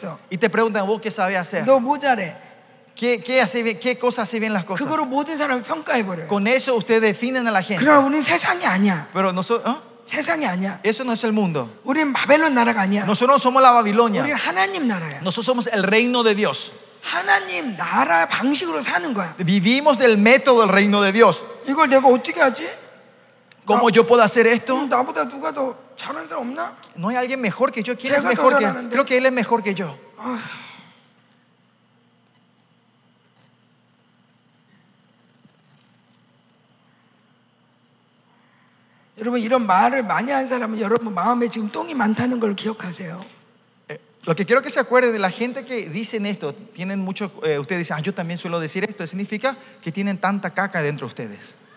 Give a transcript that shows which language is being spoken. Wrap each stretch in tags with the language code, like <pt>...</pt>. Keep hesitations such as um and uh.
<es>Y te preguntan, ¿vos qué sabes hacer? ¿Qué, ¿Qué, hace bien? ¿Qué cosa hace bien las cosas? Con eso ustedes definen a la gente. Pero nosotros. ¿eh? Eso no es el mundo. Nosotros no somos la Babilonia. Nosotros somos el reino de Dios.</es> <ko>하나님 나라 방식으로 사는 거야.</ko> <es>Vivimos del método del reino de Dios.</es> <ko>이걸 내가 어떻게 하지?</ko> <es>¿Cómo</es> <ko>나,</ko> <es>yo puedo hacer esto?</es> <ko>음, 나보다 누가 더 잘하는 사람 없나?</ko> <es>No hay alguien mejor que yo. ¿Quién es mejor que? Creo que él es mejor que yo.</es> <ko>여러분 이런 말을 많이 한 사람은 여러분 마음에 지금 똥이 많다는 걸 기억하세요.</ko> <es>Lo que quiero que se acuerden de la gente que dicen esto, tienen mucho, eh, ustedes dicen, ah, yo también suelo decir esto, significa que tienen tanta caca dentro de ustedes.</es>